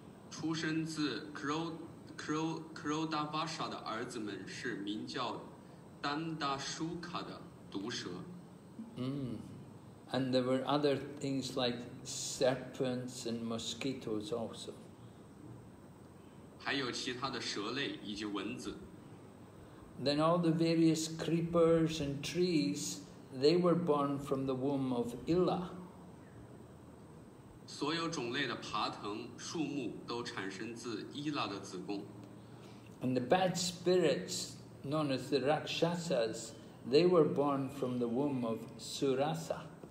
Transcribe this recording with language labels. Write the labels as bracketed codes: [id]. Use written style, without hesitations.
[zh] 出生自 Krodavasa 的儿子们是名叫 Dandasuka 的毒蛇。 [en] And there were other things like serpents and mosquitoes also. [zh] 还有其他的蛇类以及蚊子。 [en] Then all the various creepers and trees. They were born from the womb of Ila. [zh] 所有种类的爬藤、树木都产生自伊拉的子宫。 [en] And the bad spirits, known as the Rakshasas, they were born from the womb of Surasa.